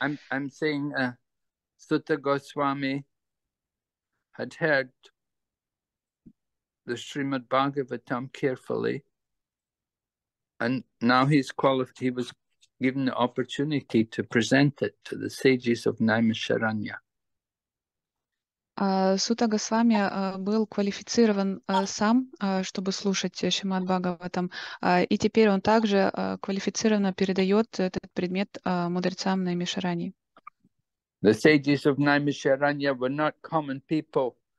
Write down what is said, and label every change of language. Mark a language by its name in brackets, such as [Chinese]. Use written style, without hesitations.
[English] I'm saying Suta Goswami had heard the Srimad Bhagavatam carefully, and now he was given the opportunity to present it to the sages of Naimisharanya. [Russian] Сута Госвами был квалифицирован сам, чтобы слушать Шримад Бхагаватам, и теперь он также квалифицированно передает этот предмет мудрецам Наймишарани. [English] The sages of Naimisharanya were not common people.